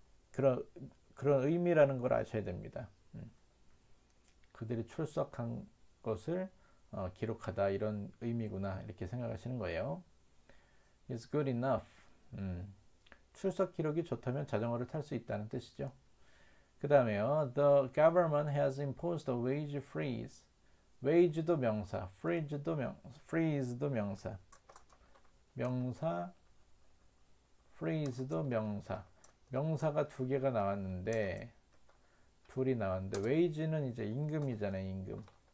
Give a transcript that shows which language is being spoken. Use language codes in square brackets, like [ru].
[ko] 그런 의미라는 걸 아셔야 됩니다. 그들이 출석한 것을 기록하다. 이런 의미구나. 이렇게 생각하시는 거예요. [en] It's good enough. [ko] 출석 기록이 좋다면 자전거를 탈수 있다는 뜻이죠. 그 다음에요. [en] The government has imposed a wage freeze. [ko] wage도 명사, freeze도 명사. 명사, freeze도 명사. 명사가 두 개가 나왔는데, 둘이 나왔는데, wage는 이제 임금이잖아요, 임금.